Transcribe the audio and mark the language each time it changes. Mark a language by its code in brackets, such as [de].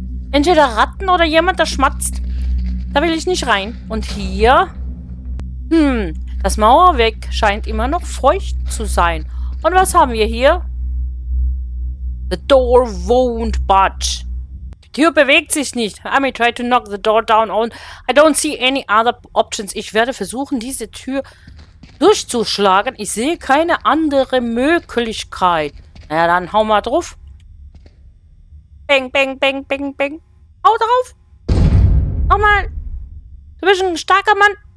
[de] Entweder Ratten oder jemand, der schmatzt. Da will ich nicht rein. Und hier? Das Mauerwerk scheint immer noch feucht zu sein. Und was haben wir hier? [en] The door won't budge. [de] Die Tür bewegt sich nicht. [en] I may try to knock the door down on. I don't see any other options. [de] Ich werde versuchen, diese Tür durchzuschlagen. Ich sehe keine andere Möglichkeit. Na ja, dann hau mal drauf. Bang, bang, bang, bang, bang. Hau drauf! Nochmal! Du bist ein starker Mann!